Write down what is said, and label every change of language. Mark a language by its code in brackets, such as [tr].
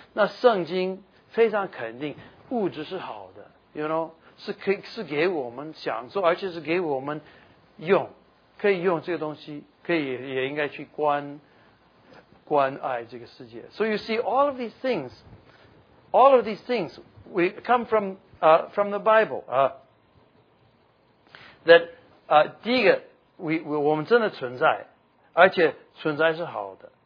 [zh] 那圣经非常肯定物质是好的 you know， 是给我们享受，而且是给我们用，可以用这个东西。可以也应该去关爱这个世界。 [en] So you see all of these things, all of these things we come from the Bible. [zh] That 第一个 我们真的存在，而且存在是好的。